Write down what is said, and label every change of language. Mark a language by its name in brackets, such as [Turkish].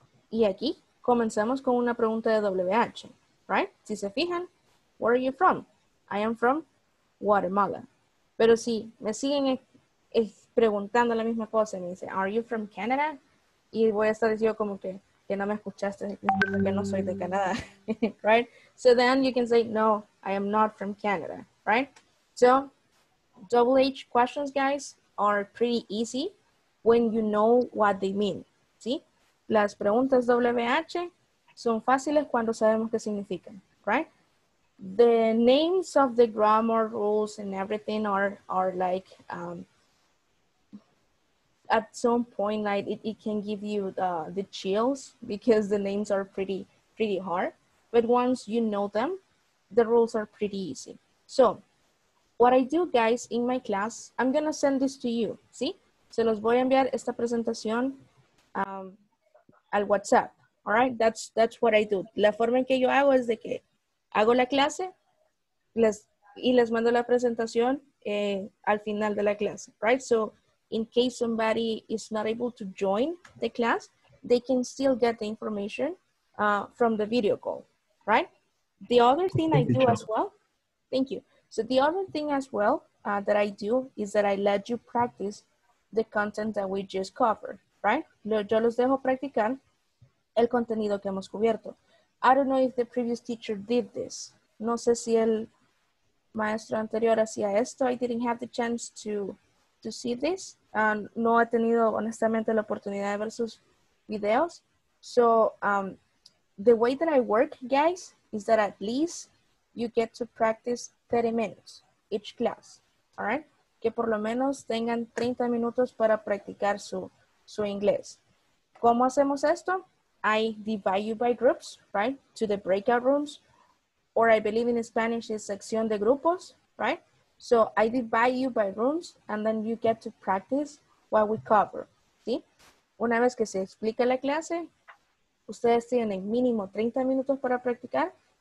[Spanish] Y aquí comenzamos con una pregunta de WH, right? Si se fijan, [English] where are you from? I am from Guatemala. [Spanish] Pero si me siguen preguntando la misma cosa, me dice, [English] are you from Canada? [Spanish] Y voy a estar yo como que no me escuchaste, que no soy de Canadá, right? [English] So then you can say, no, I am not from Canada, right? So WH questions, guys, are pretty easy when you know what they mean, ¿sí? [Spanish] Las preguntas WH son fáciles cuando sabemos qué significan, right? [English] the names of the grammar rules and everything are like, at some point, like it can give you the chills because the names are pretty hard. But once you know them, the rules are pretty easy. So what I do, guys, in my class, I'm gonna send this to you. [Spanish] See, se los voy a enviar esta presentación al WhatsApp. [English] All right, that's what I do. [Spanish] La forma en que yo hago es de que hago la clase les mando la presentación al final de la clase, right? [English] So in case somebody is not able to join the class, they can still get the information from the video call, right? The other thing I do as well, thank you. So the other thing as well that I do is that I let you practice the content that we just covered, right? [Spanish] Yo los dejo practicar el contenido que hemos cubierto. [English] I don't know if the previous teacher did this. [Spanish] No sé si el maestro anterior hacía esto. [English] I didn't have the chance to see this. [Spanish] No he tenido honestamente la oportunidad de ver sus videos. [English] So the way that I work, guys, is that at least you get to practice 30 minutes each class. All right? [Spanish] Que por lo menos tengan 30 minutos para practicar su inglés. ¿Cómo hacemos esto? [English] I divide you by groups, right, to the breakout rooms, or I believe in Spanish is [Spanish] sección de grupos, [English] right? So I divide you by rooms, and then you get to practice what we cover, ¿sí? [Spanish] Una vez que se explica la clase, ustedes tienen mínimo 30 minutos para practicar.